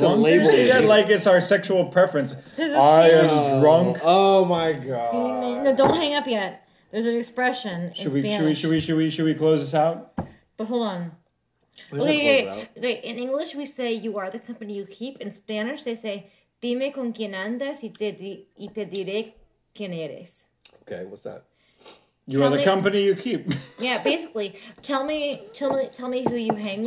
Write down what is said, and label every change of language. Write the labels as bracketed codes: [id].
[en] have to label it like it's our sexual preference. I am drunk. Oh my god! No, don't hang up yet. There's an expression. Should we close this out? But hold on. Wait, in English we say you are the company you keep. In Spanish they say [es] dime con quién andas y te diré quién eres. [en] Okay, what's that? Company you keep. Yeah, basically, tell me who you hang with.